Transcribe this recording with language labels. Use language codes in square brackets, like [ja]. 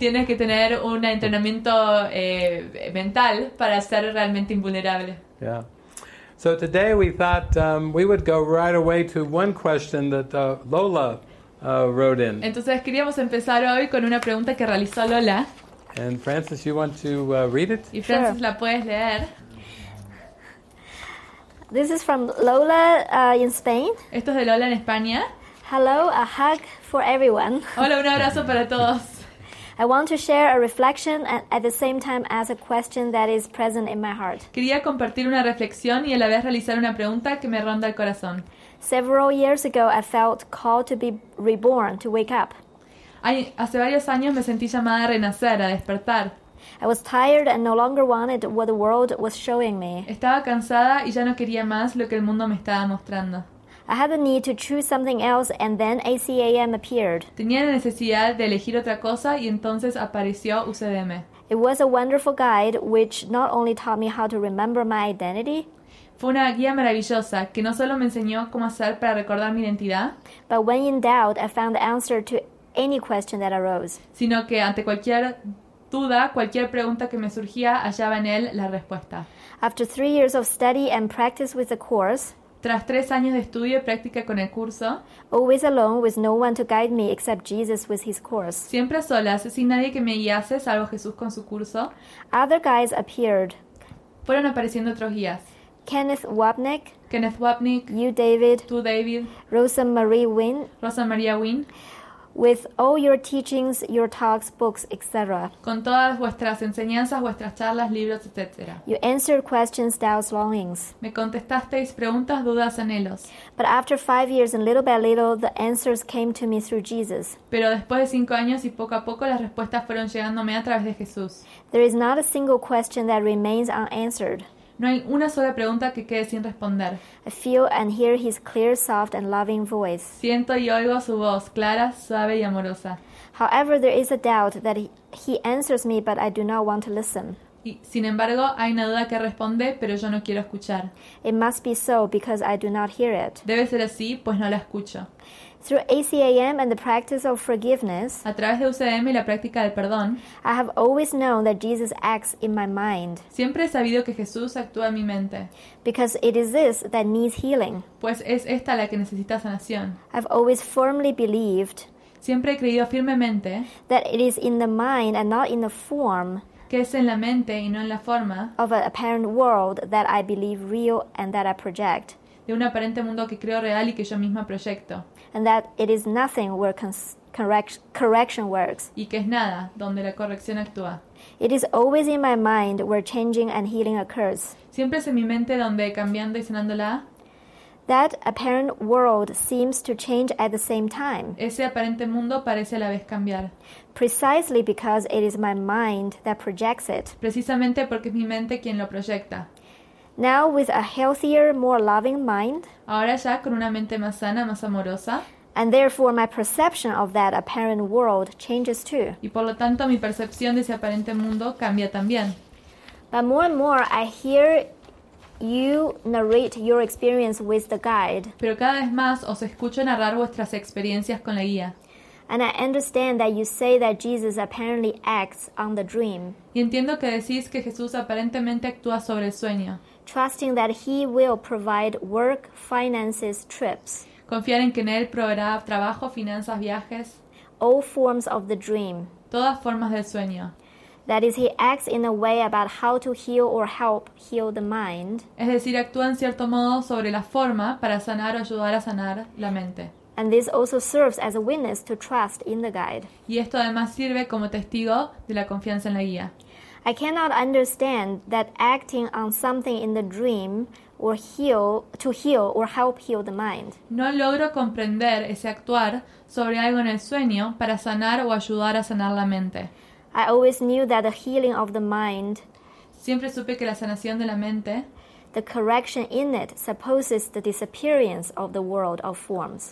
[es] Tienes que tener un entrenamiento mental para ser realmente invulnerable. [en] Yeah. So today we thought we would go right away to one question that Lola wrote in. [es] Entonces queríamos empezar hoy con una pregunta que realizó Lola. [en] And Frances, you want to read it? [es] Y Frances, sure. La puedes leer. [en] This is from Lola in Spain. [es] Esto es de Lola en España. [en] Hello, a hug for everyone. [es] Hola, un abrazo para todos. [en] I want to share a reflection and at the same time ask a question that is present in my heart. [es] Quería compartir una reflexión y a la vez realizar una pregunta que me ronda el corazón. [en] Several years ago, I felt called to be reborn, to wake up. [es] Hace varios años me sentí llamada a renacer, a despertar. [en] I was tired and no longer wanted what the world was showing me. [es] Estaba cansada y ya no quería más lo que el mundo me estaba mostrando. [en] I had a need to choose something else and then ACAM appeared. [es] Tenía la necesidad de elegir otra cosa y entonces apareció UCDM. [en] It was a wonderful guide which not only taught me how to remember my identity. [es] Fue una guía maravillosa que no solo me enseñó cómo hacer para recordar mi identidad, [en] but when in doubt, I found the answer to any question that arose. [es] Sino que ante cualquier duda, cualquier pregunta que me surgía, hallaba en él la respuesta. [en] After 3 years of study and practice with the course, [es] tras 3 años de estudio y práctica con el curso, [en] always alone with no one to guide me except Jesus with his course. [es] Siempre solas, sin nadie que me guiase, salvo Jesús con su curso. [en] Other guides appeared. [es] Fueron apareciendo otros guías. [en] Kenneth Wapnick, you David, Rosa Maria Wynn, With all your teachings, your talks, books, etc. [es] Con todas vuestras enseñanzas, vuestras charlas, libros, etc. [en] You answered questions, doubts, longings. [es] Me contestasteis preguntas, dudas, anhelos. [en] But after 5 years and little by little, the answers came to me through Jesus. [es] Pero después de 5 años y poco a poco, las respuestas fueron llegándome a través de Jesús. [en] There is not a single question that remains unanswered. [es] No hay una sola pregunta que quede sin responder. [en] I feel and hear his clear, soft and loving voice. [es] Siento y oigo su voz clara, suave y amorosa. [en] However, there is a doubt that he answers me, but I do not want to listen. [es] Y, sin embargo, hay una duda que responde, pero yo no quiero escuchar. [en] It must be so because I do not hear it. [es] Debe ser así, pues no la escucho. [en] Through ACAM and the practice of forgiveness, [es] a través de UCM y la práctica del perdón, [en] I have always known that Jesus acts in my mind. [es] Siempre he sabido que Jesús actúa en mi mente. [en] Because it is this that needs healing. [es] Pues es esta la que necesita sanación. [en] I've always firmly believed, [es] siempre he creído firmemente, [en] that it is in the mind and not in the form, [es] que es en la mente y no en la forma, [en] of an apparent world that I believe real and that I project. [es] De un aparente mundo que creo real y que yo misma proyecto. [en] And that it is nothing where correction works. [es] Y que es nada donde la corrección actúa. [en] It is always in my mind where changing and healing occurs. [es] Siempre es en mi mente donde cambiando y sanándola. [en] That apparent world seems to change at the same time. [es] Ese aparente mundo parece a la vez cambiar. [en] Precisely because it is my mind that projects it. [es] Precisamente porque es mi mente quien lo proyecta. [en] Now with a healthier, more loving mind. [es] Ahora ya con una mente más sana, más amorosa. [en] And therefore my perception of that apparent world changes too. [es] Y por lo tanto mi percepción de ese aparente mundo cambia también. [en] But more and more I hear you narrate your experience with the guide. [es] Pero cada vez más os escucho narrar vuestras experiencias con la guía. [en] And I understand that you say that Jesus apparently acts on the dream. [es] Y entiendo que decís que Jesús aparentemente actúa sobre el sueño. [en] Trusting that he will provide work, finances, trips. [es] Confiar en que en él proveerá trabajo, finanzas, viajes. [en] All forms of the dream. [es] Todas formas del sueño. [en] That is, he acts in a way about how to heal or help heal the mind. [es] Es decir, actúa en cierto modo sobre la forma para sanar o ayudar a sanar la mente. [en] And this also serves as a witness to trust in the guide. [es] Y esto además sirve como testigo de la confianza en la guía. [en] I cannot understand that acting on something in the dream or to heal or help heal the mind. [es] No logro comprender ese actuar sobre algo en el sueño para sanar o ayudar a sanar la mente. [en] I always knew that the healing of the mind. [es] Siempre supe que la sanación de la mente. [en] The correction in it supposes the disappearance of the world of forms.